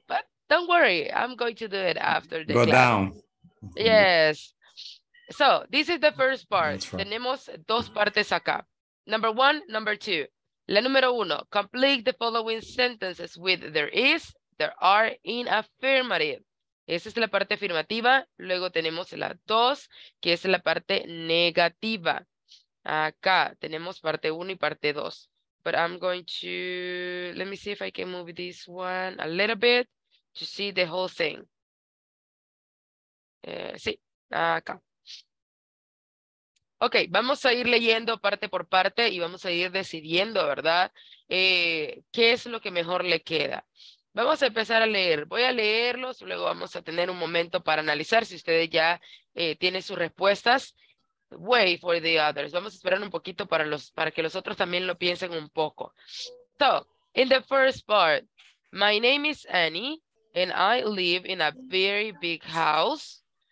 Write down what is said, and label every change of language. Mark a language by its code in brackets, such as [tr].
[en] But don't worry, I'm going to do it after the go class. Down. Yes. So, this is the first part. Right. [es] Tenemos dos partes acá. [en] Number one, number two. [es] La número uno, [en] complete the following sentences with there is, there are in affirmative. [es] Esa es la parte afirmativa. Luego tenemos la dos, que es la parte negativa. Acá tenemos parte uno y parte dos. [en] But I'm going to, let me see if I can move this one a little bit to see the whole thing. [es] Sí, acá. Ok, vamos a ir leyendo parte por parte y vamos a ir decidiendo, ¿verdad? ¿Qué es lo que mejor le queda? Vamos a empezar a leer. Voy a leerlos, luego vamos a tener un momento para analizar si ustedes ya tienen sus respuestas. [en] Wait for the others. [es] Vamos a esperar un poquito para que los otros también lo piensen un poco. [en] So, in the first part, my name is Annie and I live in a very big house.